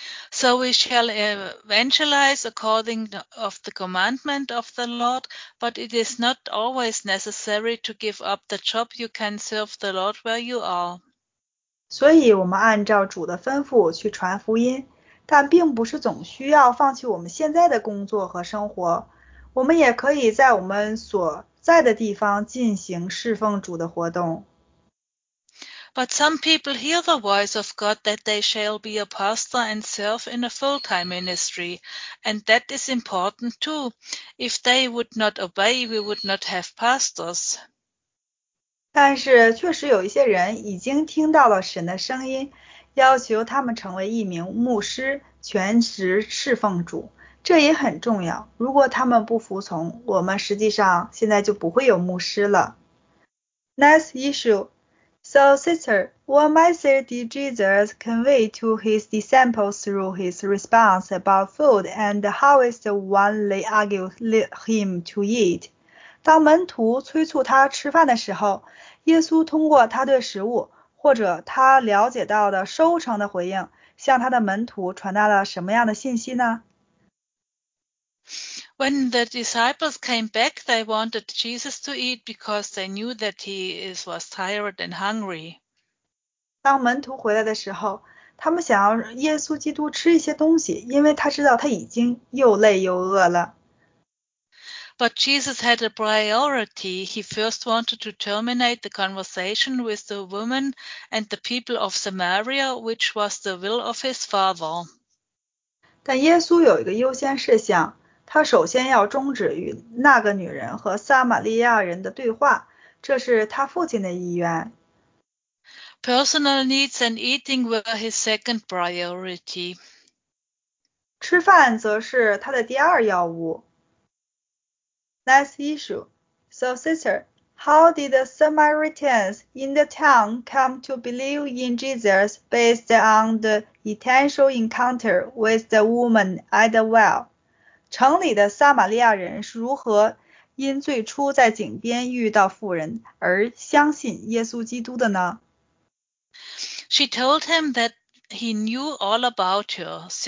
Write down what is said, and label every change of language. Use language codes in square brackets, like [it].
[en] So we shall evangelize according of the commandment of the Lord, but it is not always necessary to give up the job. You can serve the Lord where you are. [zh] 所以我们按照主的吩咐去传福音，但并不是总需要放弃我们现在的工作和生活。我们也可以在我们所在的地方进行侍奉主的活动。 [en] But some people hear the voice of God that they shall be a pastor and serve in a full-time ministry, and that is important too. If they would not obey, we would not have pastors. [zh] 但是确实有一些人已经听到了神的声音，要求他们成为一名牧师，全职侍奉主。这也很重要。如果他们不服从，我们实际上现在就不会有牧师了。 [en] Next issue. So, sister, what message did Jesus convey to his disciples through his response about food and how is the one they argue him to eat? [zh] 当门徒催促他吃饭的时候，耶稣通过他对食物或者他了解到的收成的回应，向他的门徒传达了什么样的信息呢？ [en] When the disciples came back, they wanted Jesus to eat because they knew that he was tired and hungry. [zh] 当门徒回来的时候，他们想要耶稣基督吃一些东西，因为他知道他已经又累又饿了。 [en] But Jesus had a priority. He first wanted to terminate the conversation with the woman and the people of Samaria, which was the will of his father. [zh] 但耶稣有一个优先事项。他首先要终止与那个女人和撒玛利亚人的对话，这是他父亲的意愿。 [en] Personal needs and eating were his second priority. [zh] 吃饭则是他的第二要务。 [en] Next issue. So, sister, how did the Samaritans in the town come to believe in Jesus based on the intentional encounter with the woman at the well? [zh] 城里的撒玛利亚人是如何因最初在井边遇到妇人而相信耶稣基督的呢？ [en] She told him that he knew all about her.